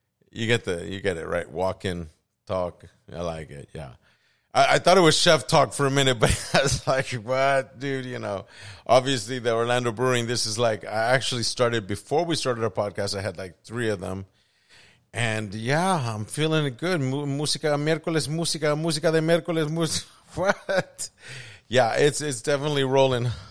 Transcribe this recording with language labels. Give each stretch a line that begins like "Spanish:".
English: You get it, right? Walk and Talk. I like it, yeah. I thought it was Chef Talk for a minute, but I was like, what, dude? You know, obviously the Orlando Brewing, this is like, I actually started, before we started our podcast, I had like 3 of them. And yeah, I'm feeling good.
Spanish: Música miércoles, música de miércoles.
English: What? Yeah, it's definitely rolling.